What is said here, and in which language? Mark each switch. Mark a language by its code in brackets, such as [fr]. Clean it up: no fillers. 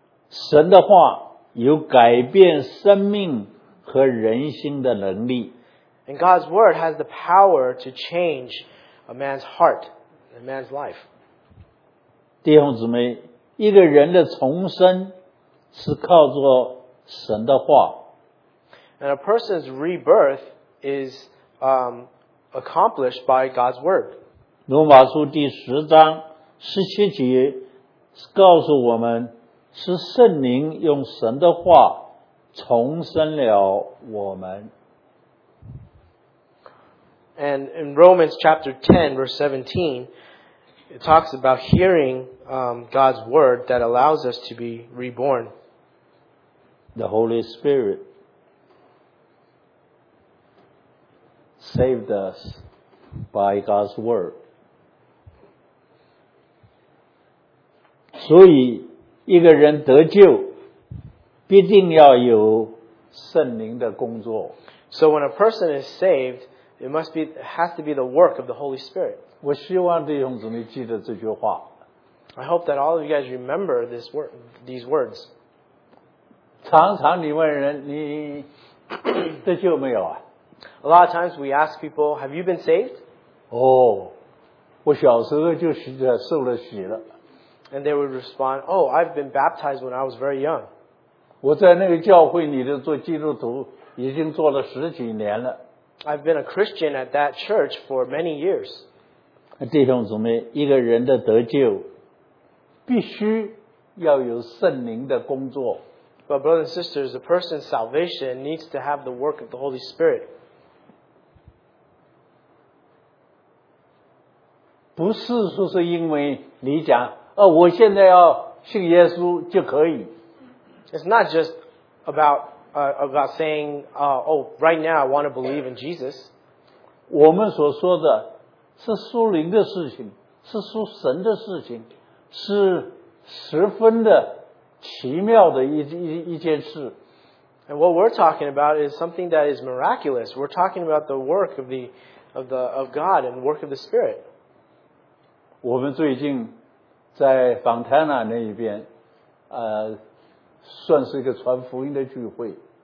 [zh] 神的话有改变生命和人心的能力。 [en] And God's word has the power to change a man's heart, a man's life. [zh] 弟兄姊妹，一个人的重生是靠着神的话。 [en] And a person's rebirth is accomplished by God's word. [zh] 罗马书第十章十七节告诉我们，是圣灵用神的话重生了我们。 [en] And in Romans chapter 10, verse 17, it talks about hearing God's word that allows us to be reborn. The Holy Spirit saved us by God's word. [zh] 所以一个人得救必定要有圣灵的工作。 [en] So when a person is saved, it must be, has to be the work of the Holy Spirit. [zh] 我希望弟兄姊妹记得这句话。 [en] I hope that all of you guys remember this word, these words. [zh] 常常你问人，你得救没有啊？ [en] A lot of times we ask people, have you been saved? [zh] 哦，我小时候就洗了，受了洗了。 [en] And they would respond, oh, I've been baptized when I was very young. [zh] 我在那个教会里的做基督徒已经做了十几年了。 [en] I've been a Christian at that church for many years. [zh] 弟兄姊妹，一个人的得救必须要有圣灵的工作。 [en] But brothers and sisters, a person's salvation needs to have the work of the Holy Spirit. [zh] 不是说是因为你讲哦，我现在要信耶稣就可以。 [en] It's not just about saying, right now I want to believe in Jesus. [zh] 我们所说的是属灵的事情，是属神的事情，是十分的奇妙的一件事。 [en] And what we're talking about is something that is miraculous. We're talking about the work of God and work of the Spirit. [zh] 我们最近在 Fontana 那一边，算是一个传福音的聚会。